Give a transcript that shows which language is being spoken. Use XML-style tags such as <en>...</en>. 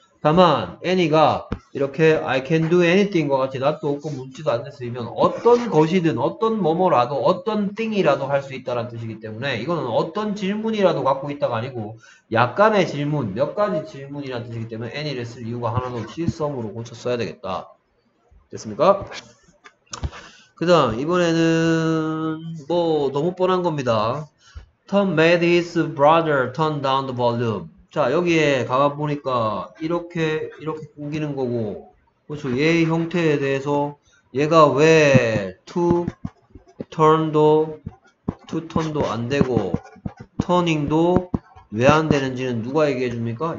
<ko>다만 any가 이렇게</ko> <en>I can do anything</en> <ko>과 같이 not도 없고 묻지도 않는데 쓰이면 어떤 것이든 어떤 뭐뭐라도 어떤 thing이라도 할수 있다는 뜻이기 때문에 이거는 어떤 질문이라도 갖고 있다가 아니고 약간의 질문, 몇 가지 질문이라는 뜻이기 때문에 any를 쓸 이유가 하나도 없이 some으로 고쳐 써야 되겠다. 됐습니까? 그다음 이번에는 뭐 너무 뻔한 겁니다.</ko> <en>Tom made his brother turn down the volume.</en> <ko>자, 여기에 가만 보니까 이렇게 끊기는 거고, 그렇죠? 얘의 형태에 대해서 얘가 왜 to turn도 안 되고 turning도 왜안 되는지는 누가 얘기해 줍니까?</ko>